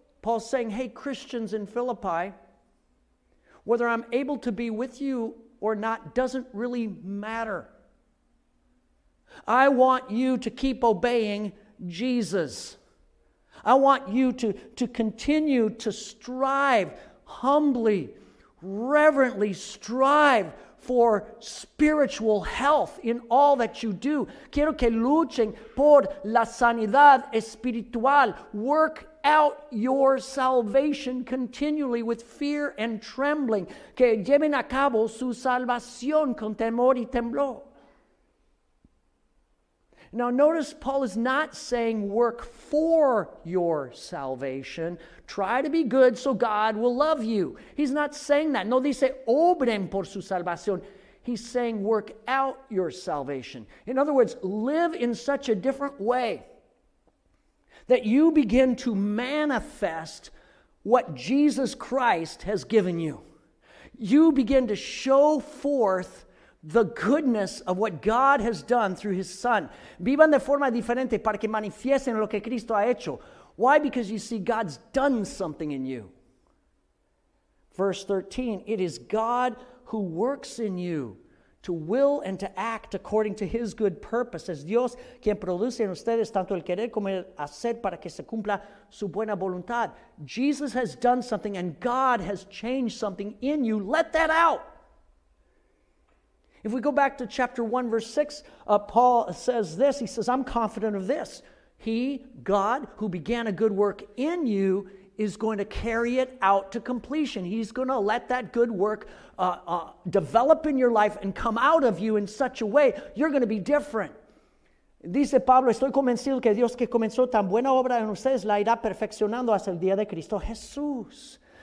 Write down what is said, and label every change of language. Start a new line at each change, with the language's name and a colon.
English: Paul's saying, hey, Christians in Philippi, whether I'm able to be with you or not doesn't really matter. I want you to keep obeying Jesus. I want you to continue to strive humbly, reverently strive for spiritual health in all that you do.
Spanish: Quiero que luchen por la sanidad espiritual.
English: Work out your salvation continually with fear and trembling.
Spanish: Que lleven a cabo su salvación con temor y temblor.
English: Now notice Paul is not saying work for your salvation. Try to be good so God will love you. He's not saying that.
Spanish: No dice obren por su salvación.
English: He's saying work out your salvation. In other words, live in such a different way that you begin to manifest what Jesus Christ has given you. You begin to show forth the goodness of what God has done through His Son.
Spanish: Vivan de forma diferente para que manifiesten lo que Cristo ha hecho.
English: Why? Because you see, God's done something in you. Verse 13, it is God who works in you to will and to act according to His good purpose.
Spanish: Es Dios quien produce en ustedes tanto el querer como el hacer para que se cumpla su buena voluntad.
English: Jesus has done something and God has changed something in you. Let that out. If we go back to chapter 1, verse 6, Paul says this. He says, I'm confident of this. He, God, who began a good work in you, is going to carry it out to completion. He's going to let that good work develop in your life and come out of you in such a way you're going to be different.
Spanish: Dice Pablo, estoy convencido que Dios que comenzó tan buena obra en ustedes la irá perfeccionando hasta el día de Cristo Jesús.